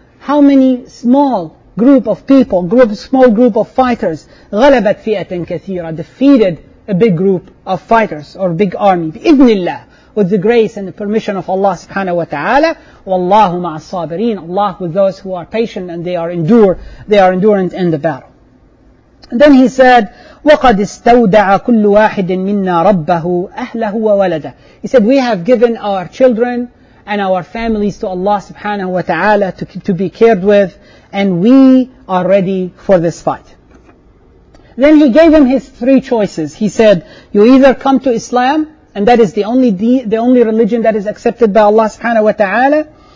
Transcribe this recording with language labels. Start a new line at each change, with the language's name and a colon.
English: How many small group of people, small group of fighters,
Arabic: غَلَبَتْ فِئَةً كَثِيرَةً,
English: defeated a big group of fighters or big army,
Arabic: بِإِذْنِ اللَّهِ,
English: with the grace and the permission of Allah subhanahu wa ta'ala,
Arabic: وَاللَّهُ مَعَ الصَّابِرِينَ,
English: Allah with those who are patient and they are endurant in the battle. And then he said,
Arabic: وَقَدْ إِسْتَوْدَعَ كُلُّ وَاحِدٍ مِنَّا رَبَّهُ أَهْلَهُ وَوَلَدَهُ.
English: He said, we have given our children and our families to Allah subhanahu wa ta'ala to be cared with, and we are ready for this fight. Then he gave him his three choices. He said, you either come to Islam, and that is the only religion that is accepted by Allah subhanahu wa ta'ala.